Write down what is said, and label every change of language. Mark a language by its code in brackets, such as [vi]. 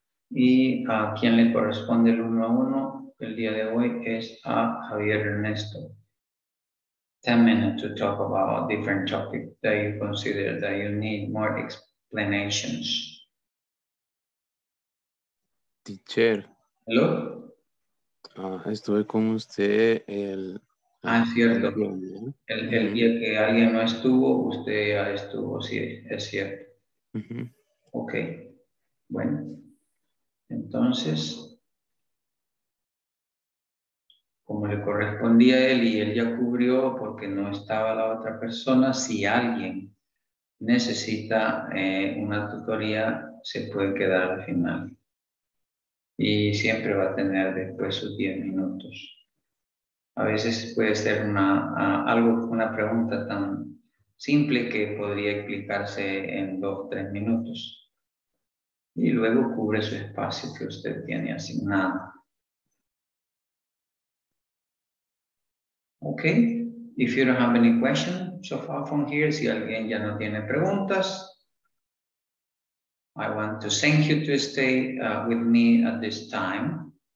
[es] Y a quien le corresponde el 1-1 el día de hoy es a Javier Ernesto. [en] 10 minutes to talk about a different topic that you consider that you need more explanations. Teacher. Hello? [es] Estuve con usted el... Ah, cierto. El día que alguien no estuvo, usted ya estuvo, sí, es cierto. Uh-huh. Ok. Bueno. Entonces... Como le correspondía a él y él ya cubrió porque no estaba la otra persona, si alguien necesita una tutoría, se puede quedar al final. Y siempre va a tener después sus 10 minutos. A veces puede ser una pregunta tan simple que podría explicarse en 2-3 minutos. Y luego cubre su espacio que usted tiene asignado. Ok. [en] If you don't have any questions so far from here, [es] si alguien ya no tiene preguntas, [en] I want to thank you to stay with me at this time.